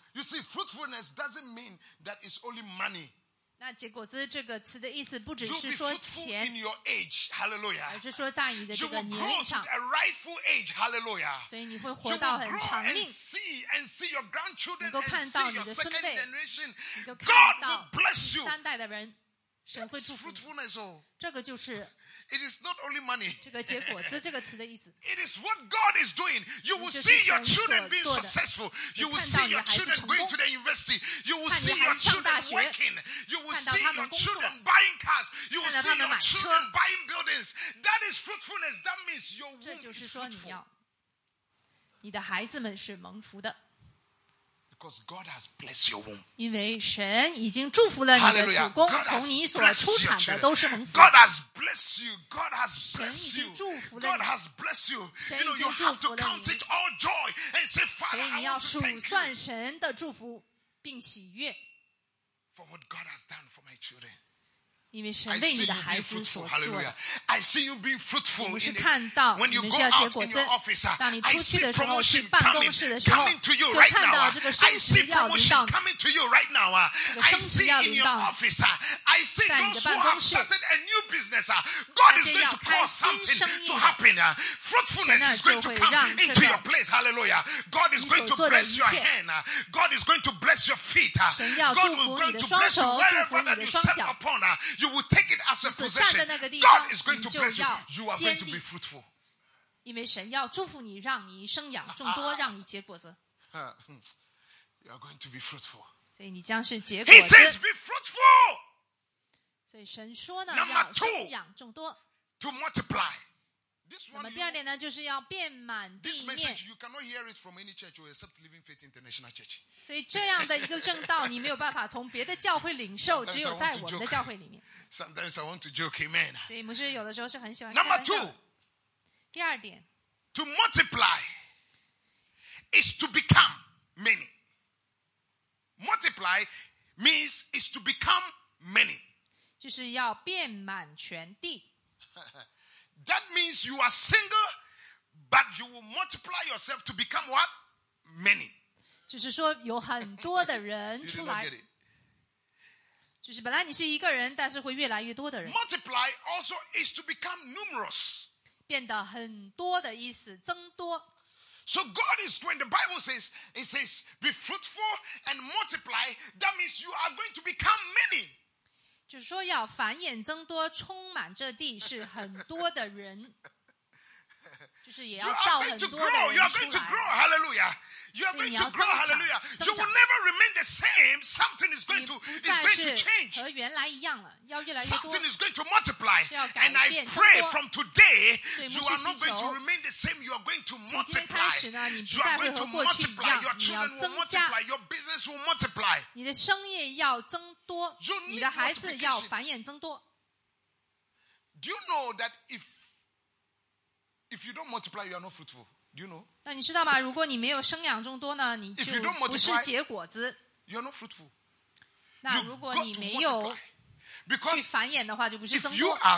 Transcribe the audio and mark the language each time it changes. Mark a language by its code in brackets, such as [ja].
[en] You see, fruitfulness doesn't mean that it's only money. [zh] 那结果子这个词的意思不只是说钱。 [en] You'll be fruitful in your age, hallelujah. [zh] 而是说在你的这个年龄上。 [en] You will grow to a rightful age, hallelujah. [zh] 所以你会活到很长命。 [en] You will grow and see your grandchildren, [zh] 能够看到你的孙辈。 [en] And see your second generation. God will bless you. [zh] 三代的人，神会祝福你。 [en] Fruitfulness, oh. [zh] 这个就是。 [en] It is not only money. [zh] 这个结果子这个词的意思。 [en] It is what God is doing. You will see your children being successful. You will see your children going to the university. You will see your children working. You will see your children buying cars. You will see your children buying buildings. That is fruitfulness. That means your womb is fruitful. [zh] 这就是说你要，你的孩子们是蒙福的。 [en] Because God has blessed your womb. [zh] 因为神已经祝福了你的子宫，从你所出产的都是恒福。 [en] God has blessed you. God has blessed you. [zh] 神已经祝福了你。 [en] God has blessed you. [zh] 神已经祝福了你。 [en] You know, you have to count it all joy and say, Father, I want to thank you. [zh] 所以你要数算神的祝福并喜悦。 [en] For what God has done for my children. [zh] 因为神为你的孩子所做。 [en] Hallelujah. I see you being fruitful. [zh] 我是看到你们是要结果子。当你出去的时候，去办公室的时候，就看到这个升职要临到。 [en] Coming to you right now. [zh] 这个升职要临到。 [en] I see in your office. I see those who have started a new business. God is going to cause something to happen. Fruitfulness is going to come into your place. Hallelujah. God is going to bless your hand. God is going to bless your feet. God is going to bless you wherever that you step upon. You will take it as a possession. God is going to bless you. You are going to be fruitful. [zh] 因为神要祝福你，让你生养众多，让你结果子。 [en] You are going to be fruitful. [zh] 所以你将是结果子。 [en] He says, "Be fruitful." [zh] 所以神说呢，要生养众多。 [en] To multiply. [zh] 那么第二点呢，就是要遍满地面。 [en] This message you cannot hear it from any church except Living Faith International Church. [zh] 所以这样的一个证道，你没有办法从别的教会领受，只有在我们的教会里面。 [en] Sometimes I want to joke, amen. [zh] 所以牧师有的时候是很喜欢开玩笑。 [en] Number two, [zh] 第二点 [en] ，to multiply is to become many. Multiply means is to become many. [zh] 就是要遍满全地。 [en] That means you are single, but you will multiply yourself to become what? Many. [zh] 就是说有很多的人出来。 [en] You did not get it. [zh] 就是本来你是一个人，但是会越来越多的人。 [en] Multiply also is to become numerous. [zh] 变得很多的意思，增多。 [en] So God is going, the Bible says, it says, be fruitful and multiply. That means you are going to become many. [zh] 就是说要繁衍增多，充满这地是很多的人，就是也要造很多的人出来。 [en] You are going to grow, hallelujah. You are going to grow, hallelujah. You will never remain the same. Something is going to change. [zh] 和原来一样了，要越来越多。 [en] Something is going to multiply. And I pray from today, you are not going to remain the same. You are going to multiply. [zh] 从今天开始呢，你不再会和过去一样。 [en] Your children will multiply. Your business will multiply. [zh] 你的生意要增。多，你的孩子要繁衍增多。 [en] Do you know that if you don't multiply, you are not fruitful? Do you know? [zh] 那你知道吗？如果你没有生养众多呢，你就不是结果子。 [en] You are not fruitful. [zh] 那如果你没有去繁衍的话，就不是增多。